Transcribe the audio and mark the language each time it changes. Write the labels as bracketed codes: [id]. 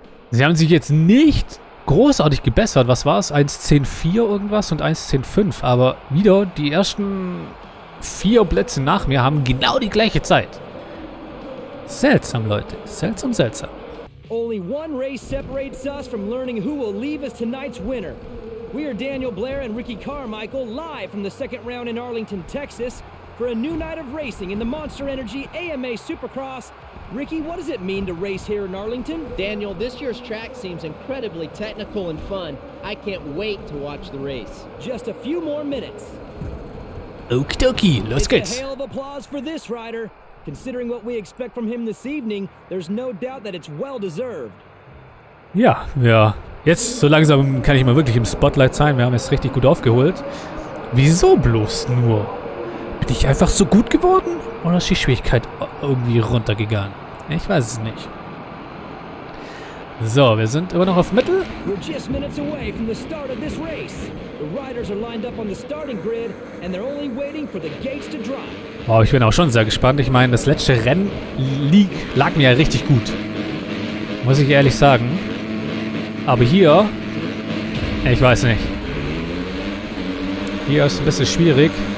[de] Sie haben sich jetzt nicht großartig gebessert. Was war es? 1.10.4 irgendwas und 1.10.5. Aber wieder die ersten vier Plätze nach mir haben genau die gleiche Zeit. Seltsam, Leute. Seltsam, seltsam. [en] Only one race separates us from learning who will leave as tonight's winner. We are Daniel Blair and Ricky Carmichael, live from the second round in Arlington, Texas, for a new night of racing in the Monster Energy AMA Supercross. Ricky, what does it mean to race here in Arlington? Daniel, this year's track seems incredibly technical and fun. I can't wait to watch the race. Just a few more minutes. Okie dokie, [de] los geht's. [en] It's a hail of applause for this rider. Considering what we expect from him this evening, there's no doubt that it's well deserved. [de] Ja, ja. Jetzt so langsam kann ich mal wirklich im Spotlight sein. Wir haben es richtig gut aufgeholt. Wieso bloß nur? Bin ich einfach so gut geworden? Oder ist die Schwierigkeit irgendwie runtergegangen? Ich weiß es nicht. So, wir sind immer noch auf Mittel. [en] We're just minutes away from the start of this race. The riders are lined up on the starting grid and they're only waiting for the gates to drop. [de] Wow, ich bin auch schon sehr gespannt. Ich meine, das letzte Rennen lag mir ja richtig gut. Muss ich ehrlich sagen. Aber hier... Ich weiß nicht. Hier ist ein bisschen schwierig.